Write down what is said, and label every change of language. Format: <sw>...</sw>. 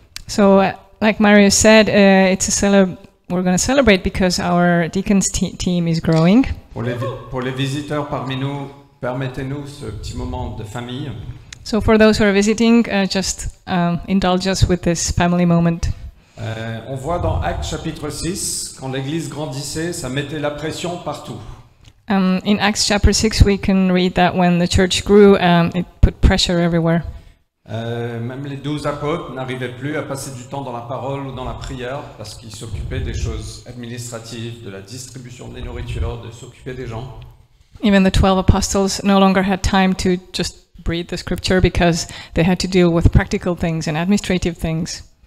<en>So, like Marius said, we're going to celebrate because our deacons team is growing.</en> <fr>Pour les visiteurs parmi nous, permettez-nous ce petit moment de famille.</fr> <en>So for those who are visiting, indulge us with this family moment.</en> <fr>On voit dans Actes chapitre 6, quand l'Église grandissait, ça mettait la pression partout.</fr> <en>In Acts chapter 6, we can read that when the church grew, it put pressure everywhere.</en> <fr>Même les douze apôtres n'arrivaient plus à passer du temps dans la parole ou dans la prière parce qu'ils s'occupaient des choses administratives, de la distribution des nourritures, de s'occuper des gens.</fr> <en>Even the 12 apostles no longer had time to just read the scripture because they had to deal with practical things and administrative things.</en>